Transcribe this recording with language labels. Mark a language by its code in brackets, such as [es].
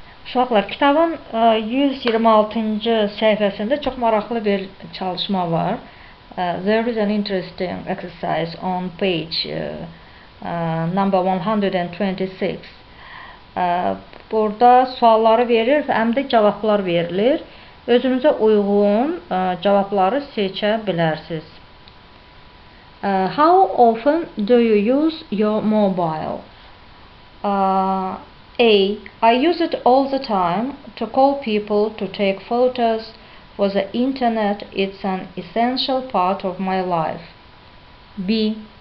[az] Uşaqlar, kitabın 126-cı səhifəsində çox maraqlı bir çalışma var. [en] There is an interesting exercise on page number 126. [az] Burada sualları verir və həm də cavablar verilir. Özünüzə uyğun cavabları seçə bilərsiniz. [en] How often do you use your mobile? A. I use it all the time to call people, to take photos. For the internet, it's an essential part of my life. B.